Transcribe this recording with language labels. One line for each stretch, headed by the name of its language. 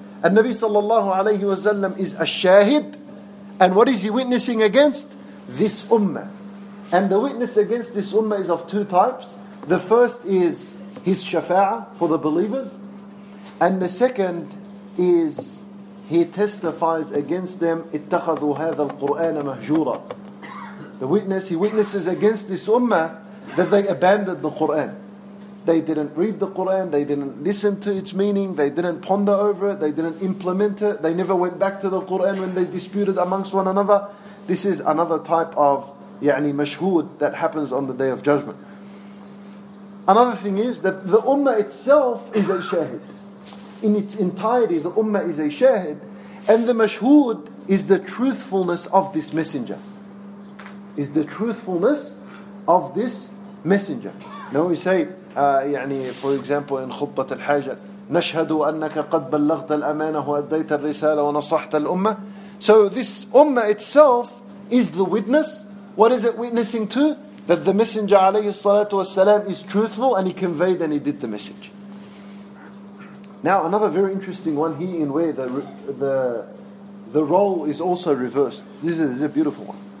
Arabic: النبي صلى الله عليه وسلم
English: is a shahid. And what is he witnessing against? This ummah. And the witness against this ummah is of two types. The first is his shafa'ah for the believers. And the second is he testifies against them,
Arabic: اتخذوا هذا القرآن مهجورا.
English: The witness, he witnesses against this ummah that they abandoned the Qur'an. They didn't read the Qur'an, they didn't listen to its meaning, they didn't ponder over it, they didn't implement it, they never went back to the Qur'an when they disputed amongst one another. This is another type of
Arabic: يعني مشهود
English: that happens on the Day of Judgment. Another thing is that the ummah itself is a shahid. In its entirety, the ummah is a shahid, and the mashhud is the truthfulness of this messenger. Is the truthfulness of this messenger. Now we say,
Arabic: يعني,
English: for example, in khutbah al-hajj,
Arabic: نَشْهَدُ أَنَّكَ قَدْ بَلَّغْتَ الْأَمَانَةُ وَأَدَّيْتَ الرِّسَالَةُ وَنَصَحْتَ الْأُمَّةِ.
English: So this ummah itself is the witness. What is it witnessing to? That the messenger alayhi salatu wasalam is truthful, and he conveyed and he did the message. Now another very interesting one here, in where the role is also reversed. This is a beautiful one.